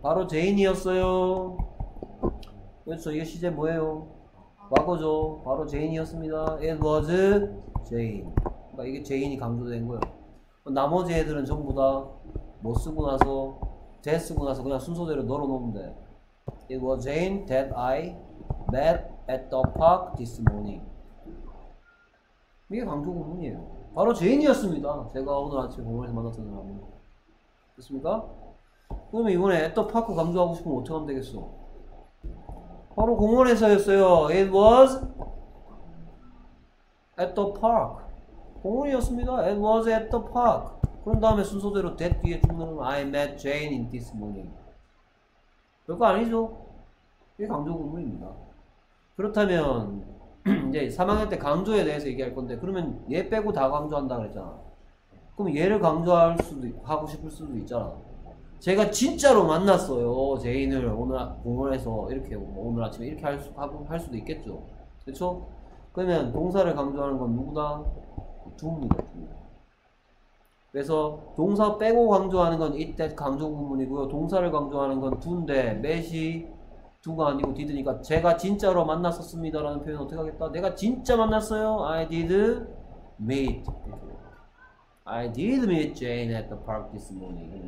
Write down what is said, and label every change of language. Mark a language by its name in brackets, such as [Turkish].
[Korean] 바로 제인이었어요. 그렇죠. 이게 시제 뭐예요? 과거죠. 바로 제인이었습니다. [English] It was Jane. [Korean] 그러니까 이게 제인이 강조된 거예요. 나머지 애들은 전부 다뭐 쓰고 나서, 대 쓰고 나서 그냥 순서대로 넣어놓으면 돼. [English] It was Jane that I met at the park this morning. [Korean] 이게 강조 구문이에요. 바로 제인이었습니다. 제가 오늘 아침에 공원에서 만났던 사람은. 됐습니까? 그러면 이번에 at the park 강조하고 싶으면 어떻게 하면 되겠어? 바로 공원에서였어요. [English] It was at the park. [Korean] 공원이었습니다. [English] It was at the park. [Korean] 그런 다음에 순서대로 [English] that [Korean] 뒤에 붙는 [English] I met Jane in this morning. [Korean] 별거 아니죠? 이게 강조 구문입니다. 그렇다면 이제 3학년 때 강조에 대해서 얘기할 건데, 그러면 얘 빼고 다 강조한다 그랬잖아. 그럼 얘를 강조할 수도 있고 하고 싶을 수도 있잖아. 제가 진짜로 만났어요, 제인을. 오늘 공원에서 이렇게 오늘 아침에 이렇게 할 수도 있겠죠. 그렇죠? 그러면 동사를 강조하는 건 누구다? 두입니다. 그래서 동사 빼고 강조하는 건 it that 강조 구문이고요. 동사를 강조하는 건 두인데, met이 두가 아니고 did니까 제가 진짜로 만났었습니다라는 표현 어떻게 하겠다? 내가 진짜 만났어요. [English] I did meet. I did meet Jane at the park this morning.